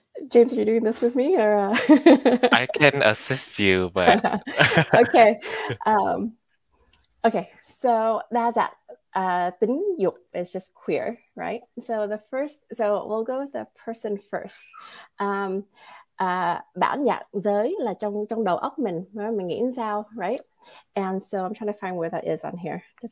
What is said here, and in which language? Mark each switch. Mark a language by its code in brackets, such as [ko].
[en] James, are you doing this with me or? I can assist you, but. Okay. Okay. So that's that. Bình dục is just queer, right? So the first, so we'll go with the person first. [vi] Bản dạng giới là trong đầu óc mình nghĩ sao, [en] right? And so I'm trying to find where that is on here.